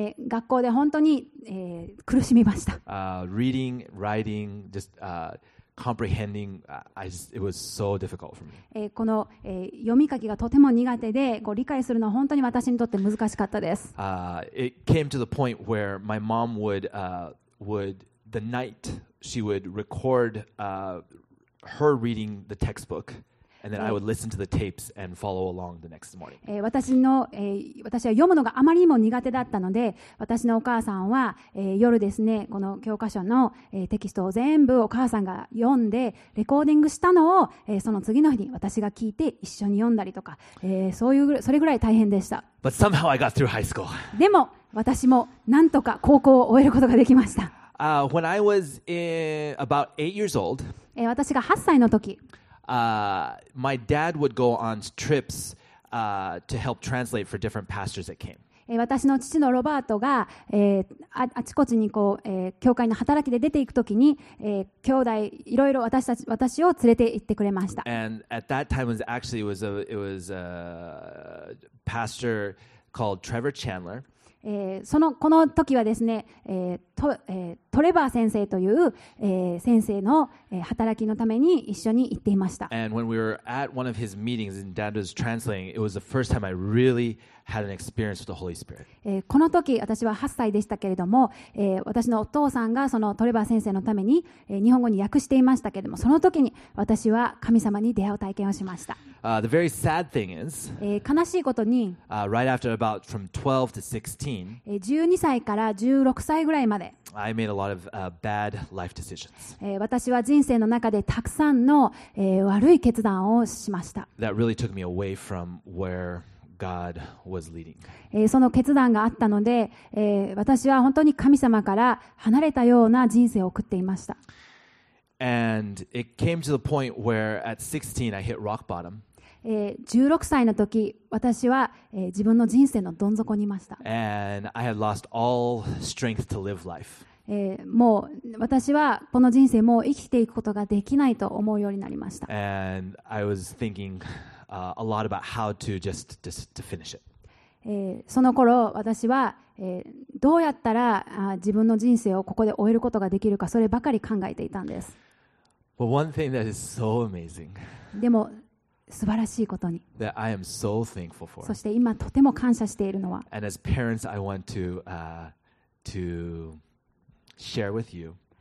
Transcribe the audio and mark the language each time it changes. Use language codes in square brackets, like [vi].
[ja] 学校で本当に、苦しみました。 [en] Reading, writing, just comprehending, it was so difficult for me. [ja] この、読み書きがとても苦手で、こう理解するのは本当に私にとって難しかったです。 [en] It came to the point where my mom would the night she would record her reading the textbook and then I would listen to the tapes and follow along the next morning. [ja] 私は読むのがあまりにも苦手だったので、私のお母さんは、夜ですね、この教科書の、テキストを全部お母さんが読んでレコーディングしたのを、その次の日に私が聞いて一緒に読んだりとか、それぐらい大変でした。 [en] But somehow I got through high school. [ja] でも私もなんとか高校を終えることができました。 [en] When I was about 8 years old, [ja] 私が8歳の時、 [en] my dad would go on trips, to help translate for different pastors that came. [ja] 私の父のロバートが、あちこちにこう、教会の働きで出ていく時に、兄弟いろいろ私を連れて行ってくれました。 [en] And at that time it was a pastor called Trevor Chandler. [ja] このこの時はですね、ト、トレバー先生という、先生の、働きのために一緒に行っていました。 [en] And when we were at one of his meetings and Dad was translating, it was the first time I really had an experience with the Holy Spirit. [ja] この時私は8歳でしたけれども、私のお父さんがそのトレバー先生のために、日本語に訳していましたけれども、その時に私は神様に出会う体験をしました。 [en] The very sad thing is, [ja] 悲しいことに、 [en] right after about from 12 to 16, [ja] 12歳から16歳ぐらいまで、 [en] I made a lot of, bad life decisions. [ja] 私は人生の中でたくさんの、悪い決断をしました。 [en] That really took me away from where God was leading. [ja] その決断があったので、私は本当に神様から離れたような人生を送っていました。 [en] And it came to the point where at 16 I hit rock bottom. [ja] 16歳の時、私は、自分の人生のどん底にいました。 [en] And I had lost all strength to live life. [ja] もう私はこの人生もう生きていくことができないと思うようになりました。 [en] And I was thinking, a lot about how to just finish it. [ja] その頃私は、どうやったら自分の人生をここで終えることができるか、そればかり考えていたんです。 [en] But one thing that is so amazing, [ja] でも素晴らしいことに、 [en] that I am so thankful for. [ja] そして今とても感謝しているのは、 [en] And as parents, I want to, to share with you.